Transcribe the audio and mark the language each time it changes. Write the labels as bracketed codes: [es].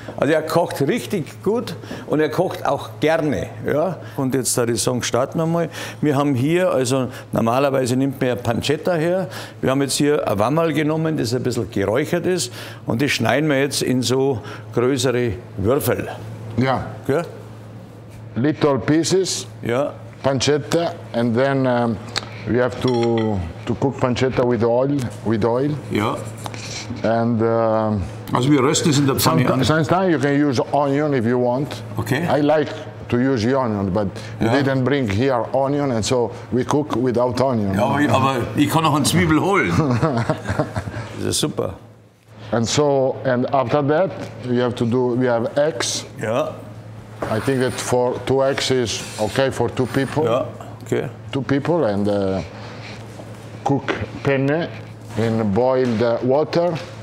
[de] Also er kocht richtig gut und er kocht auch gerne. Ja? Und jetzt würde ich sagen, starten wir mal. Wir haben hier, also normalerweise nimmt man ja Pancetta her. Wir haben jetzt hier ein Wammerl genommen, das ein bisschen geräuchert ist. Und das schneiden wir jetzt in so größere Würfel. Ja. Gell? [en] Little pieces. [de] Ja. [en] Pancetta, and then we have to cook pancetta with oil. With oil. Yeah. And also we rest this in the pan. Sometimes you can use onion if you want. Okay. I like to use onion, but you didn't bring here onion, and so we cook without onion. [de] Ja, aber ich kann noch ein Zwiebel holen. Das ist super. [en] And so, and after that, you have to do. We have eggs. Yeah. I think that for two eggs is okay for two people. Yeah. Okay. Two people and cook penne in boiled water.